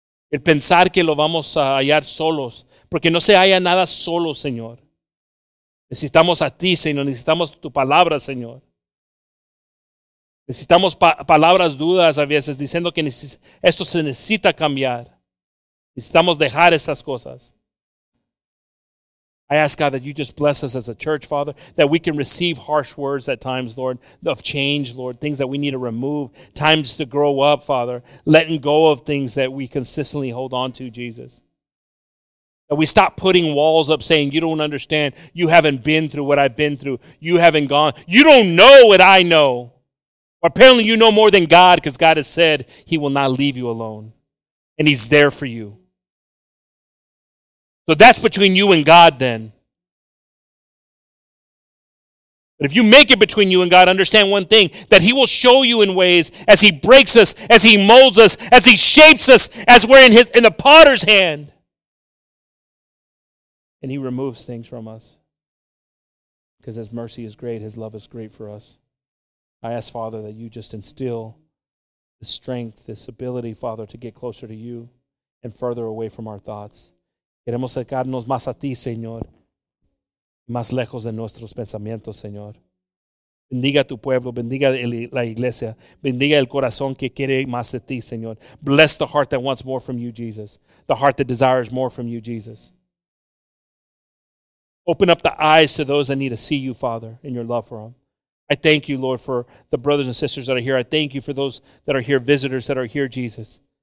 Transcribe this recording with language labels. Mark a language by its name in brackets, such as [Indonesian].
[Spanish] El pensar que lo vamos a hallar solos. Porque no se halla nada solo, Señor. Necesitamos a ti, Señor. Necesitamos tu palabra, Señor. Necesitamos palabras dudas a veces diciendo que esto se necesita cambiar. Necesitamos dejar estas cosas. [English] I ask God that you just bless us as a church, Father, that we can receive harsh words at times, Lord, of change, Lord, things that we need to remove, times to grow up, Father, letting go of things that we consistently hold on to, Jesus. That we stop putting walls up saying, you don't understand, you haven't been through what I've been through, you haven't gone, you don't know what I know. Apparently you know more than God because God has said he will not leave you alone and he's there for you. So that's between you and God then. But if you make it between you and God, understand one thing, that he will show you in ways as he breaks us, as he molds us, as he shapes us, as we're in the potter's hand. And he removes things from us because his mercy is great, his love is great for us. I ask, Father, that you just instill the strength, this ability, Father, to get closer to you and further away from our thoughts. [Spanish] Queremos acercarnos más a ti, Señor, más lejos de nuestros pensamientos, Señor. Bendiga a tu pueblo, bendiga la iglesia, bendiga el corazón que quiere más de ti, Señor. [English] Bless the heart that wants more from you, Jesus. The heart that desires more from you, Jesus. Open up the eyes to those that need to see you, Father, in your love for them. I thank you, Lord, for the brothers and sisters that are here. I thank you for those that are here, visitors that are here, Jesus.